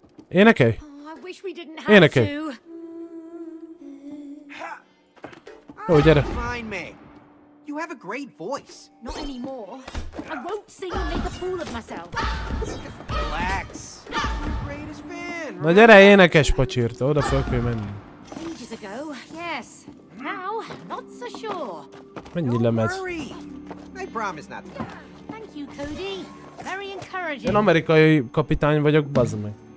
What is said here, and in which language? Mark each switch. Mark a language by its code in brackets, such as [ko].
[hu] Énekelj! [en] I wish we didn't have [hu] Énekelj. [en] To. [hu] Jó, gyere. [en] Fine, May. You have a great voice. Not anymore. I won't sing and make a fool of myself. Relax. You're the greatest fan. [hu] Na gyere, énekes pacsirt, oda fel kell menni. [en] Ages ago, yes. Now, not so sure. [hu] Mennyi lemez. [en] Don't worry. I promise not to. Thank you, Cody. Very encouraging. [hu] Én amerikai kapitány vagyok, bazd meg.